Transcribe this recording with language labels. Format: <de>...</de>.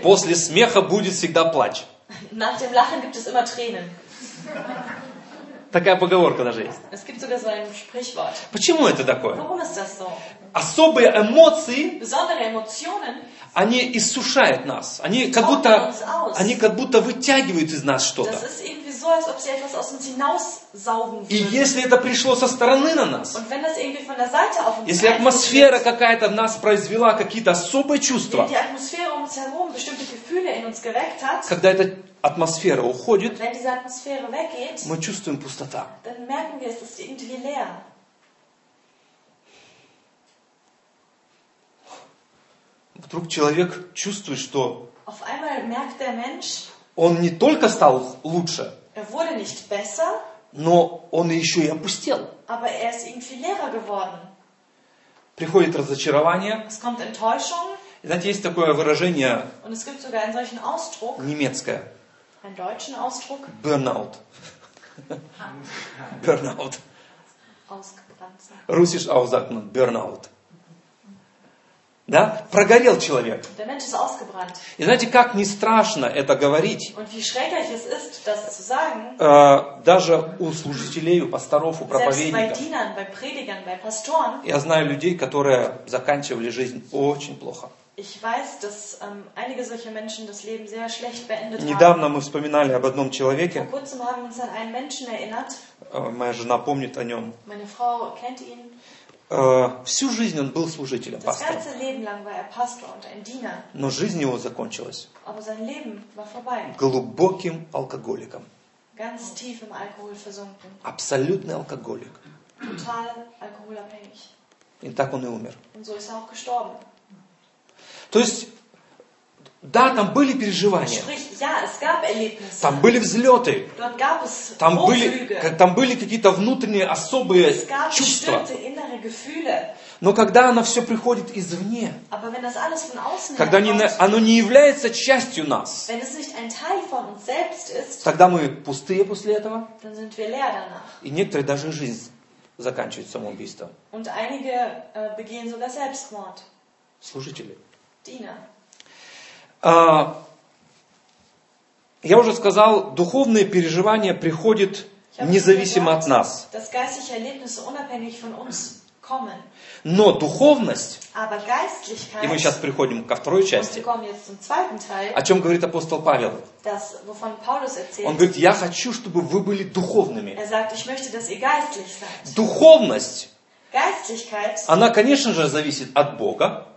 <ru>После смеха будет всегда плач.</ru> <de>Nach dem Lachen gibt es immer Tränen.</de> <ru>Такая поговорка даже есть.</ru> <de>Es gibt sogar so ein Sprichwort.</de> <ru>Почему это такое?</ru> <de>Warum ist das so?</de> <ru>Особые эмоции,</ru> <de>besondere Emotionen,</de> <ru>они иссушают нас. Они как будто, они как будто вытягивают из нас что-то.</ru> <de>Das ist irgendwie so, als ob sie etwas aus uns hinaussaugen würden.</de> <ru>И если это пришло со стороны на нас,</ru> <de>und wenn das irgendwie von der Seite auf uns,</de> <ru>если атмосфера какая-то в нас произвела какие-то особые чувства,</ru> <de>wenn die Atmosphäre um uns herum bestimmte Gefühle in uns geweckt hat,</de> <ru>когда эта атмосфера уходит,</ru> <de>wenn diese Atmosphäre weggeht,</de> <ru>мы чувствуем пустота.</ru> <de>Dann merken wir, es ist irgendwie leer.</de> <ru>Вдруг человек чувствует, что</ru> <de>auf einmal merkt der Mensch,</de> <ru>он не только стал лучше,</ru> <de>er wurde nicht besser,</de> <ru>но он еще и опустел.</ru> <de>Aber er ist irgendwie leerer geworden.</de> <ru>Приходит разочарование.</ru> <de>Es kommt Enttäuschung.</de> <ru>И знаете, есть такое выражение,</ru> <de>und es gibt sogar einen solchen Ausdruck,</de> <ru>немецкое.</ru> <de>Einen deutschen Ausdruck. Burnout. Burnout. Ausgebrannt. Russisch auch sagt man Burnout.</de> <ru>Да? Прогорел человек.</ru> <de>Der Mensch ist ausgebrannt.</de> <ru>И знаете, как не страшно это говорить.</ru> <de>Und wie schrecklich es ist, das zu sagen.</de> <ru>Даже у служителей, у пасторов, у проповедников.</ru> <de>Selbst bei Dienern, bei Predigern, bei Pastoren.</de> <ru>Я знаю людей, которые заканчивали жизнь очень плохо.</ru> <de>Ich weiß, dass einige solche Menschen das Leben sehr schlecht beendet haben.</de> <ru>Недавно мы вспоминали об одном человеке.</ru> <de>Vor kurzem haben wir uns an einen Menschen erinnert.</de> <ru>Моя жена помнит о нем.</ru> <de>Meine Frau kennt ihn.</de> <ru>Всю жизнь он был служителем, пастором.</ru> <de>Das ganze Leben lang war er Pastor und ein Diener.</de> <ru>Но жизнь его закончилась.</ru> <de>Aber sein Leben war vorbei.</de> <ru>Глубоким алкоголиком.</ru> <de>Ganz tief im Alkohol versunken.</de> <ru>Абсолютный алкоголик.</ru> <de>Total alkoholabhängig.</de> <ru>И так он и умер.</ru> <de>Und so ist er auch gestorben.</de> <ru>То есть, да, там были переживания.</ru> <de>Ja, es gab Erlebnisse.</de> <ru>Там были взлеты.</ru> <de>Dort gab es</de> <ru>там были какие-то внутренние особые</ru> <de>es gab</de> <ru>чувства.</ru> <de>Bestimmte innere Gefühle.</de> <ru>Но когда оно все приходит извне,</ru> <de>aber wenn das alles von außen</de> <ru>когда не, оно не является частью нас,</ru> <de>wenn es nicht ein Teil von uns selbst ist,</de> <ru>тогда мы пустые после этого.</ru> <de>Dann sind wir leer danach.</de> <ru>И некоторые даже жизнь заканчивают самоубийством.</ru> <de>Und einige begehen sogar Selbstmord.</de> <ru>Служители. Дина. Я уже сказал, духовные переживания приходят независимо от нас.</ru> <de>Das geistliche Erlebnis unabhängig von uns kommen.</de> <ru>Но духовность,</ru> <de>aber Geistlichkeit,</de> <ru>и мы сейчас приходим ко второй части,</ru> <de>und wir kommen jetzt zum zweiten Teil,</de> <ru>о чем говорит апостол Павел.</ru> <de>Das, wovon Paulus erzählt,</de> <ru>он говорит, я хочу, чтобы вы были духовными.</ru> <de>Er sagt, ich möchte, dass ihr geistlich seid.</de> <ru>Духовность,</ru> <de>Geistlichkeit,</de> <ru>она, конечно же, зависит от Бога.</ru>